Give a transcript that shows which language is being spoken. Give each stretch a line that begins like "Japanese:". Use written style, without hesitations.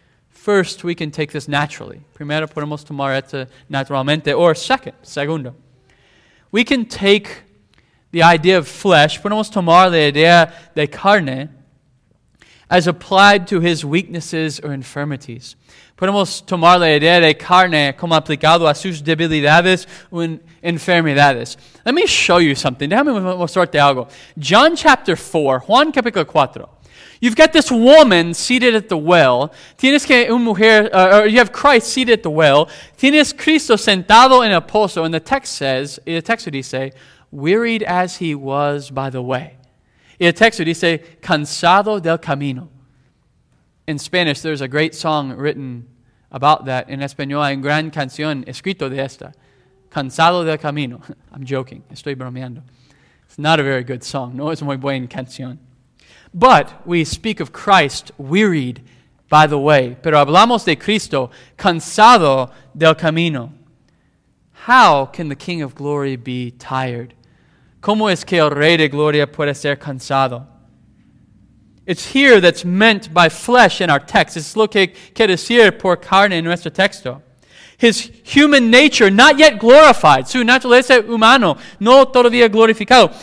English: First, we can take this naturally.
Spanish: Primero, podemos tomar esto naturalmente.
English: Or second,
Spanish: segundo.
English: We can take the idea of flesh,
Spanish: podemos tomar la idea de carne,
English: as applied to his weaknesses or infirmities.
Spanish: Podemos tomar la idea de carne como aplicado a sus debilidades o enfermedades.
English: Let me show you something.
Spanish: Déjame mostrarte algo.
English: John chapter 4,
Spanish: Juan capítulo 4.
English: You've got this woman seated at the well.
Spanish: Tienes que una mujer,
English: you have Christ seated at the well.
Spanish: Tienes Cristo sentado en el pozo.
English: And the text says, the text would say, wearied as he was by the way.
Spanish: Y el texto dice, cansado del camino.
English: In Spanish, there's a great song written about that.
Spanish: En español, hay una gran canción escrito de esta. Cansado del camino.
English: I'm joking.
Spanish: Estoy bromeando.
English: It's not a very good song.
Spanish: No es muy buena canción.
English: But we speak of Christ wearied by the way.
Spanish: Pero hablamos de Cristo cansado del camino.
English: How can the King of Glory be tired?
Spanish: ¿Cómo es que el Rey de Gloria puede ser cansado?
English: It's here that's meant by flesh in our text.
Spanish: Es lo que quiere decir por carne en nuestro texto.
English: His human nature, not yet glorified.
Spanish: Su naturaleza humano, no todavía glorificado.